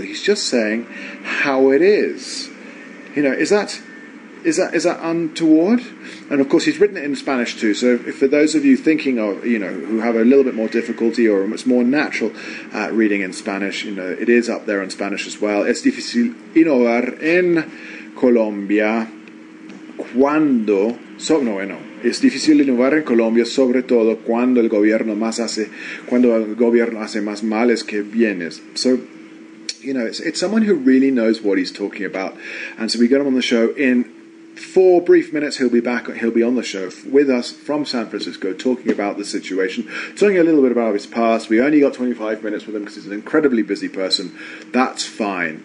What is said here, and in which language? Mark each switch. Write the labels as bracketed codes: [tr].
[en] He's just saying how it is. You know, is that untoward? And of course, he's written it in Spanish too. So, if for those of you thinking of, you know, who have a little bit more difficulty or it's more natural reading in Spanish, you know, it is up there in Spanish as well. [es] Es difícil innovar en Colombia cuando son bueno. Es difícil innovar en Colombia, sobre todo cuando el gobierno hace más males que bienes. [en] So, you know, it's someone who really knows what he's talking about. And so we get him on the show in 4 brief minutes. He'll be on the show with us from San Francisco talking about the situation, talking a little bit about his past. We only got 25 minutes with him because he's an incredibly busy person. That's fine.